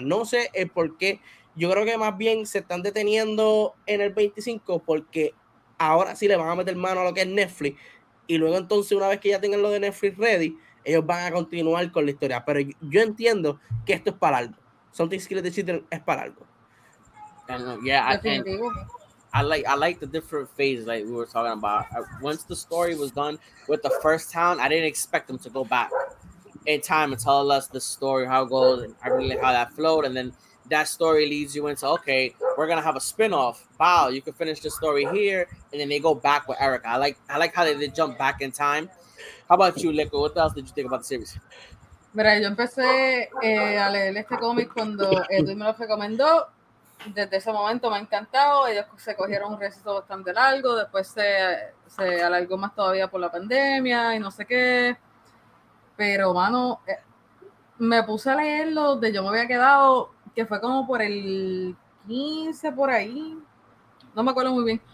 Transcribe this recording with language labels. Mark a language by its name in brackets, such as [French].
[Spanish] No sé el por qué, yo creo que más bien se están deteniendo en el 25, porque ahora sí le van a meter mano a lo que es Netflix, y luego entonces una vez que ya tengan lo de Netflix ready, ellos van a continuar con la historia. Pero yo entiendo que esto es para algo. Something Skillet the Children es para algo. [English] I like the different phases like we were talking about. Once the story was done with the first town, I didn't expect them to go back in time and tell us the story, how it goes, and really how that flowed. And then that story leads you into, okay, we're going to have a spinoff. Wow, you can finish the story here. And then they go back with Erica. I like how they jump back in time. How about you, Leco? What else did you think about the series? [Spanish] Mira, yo empecé a leer este cómic cuando Edwin me lo recomendó. Desde ese momento me ha encantado. Ellos se cogieron un receso bastante largo. Después se alargó más todavía por la pandemia y no sé qué. Pero, mano, me puse a leerlo de yo me había quedado, que fue como por el 15 por ahí. No me acuerdo muy bien.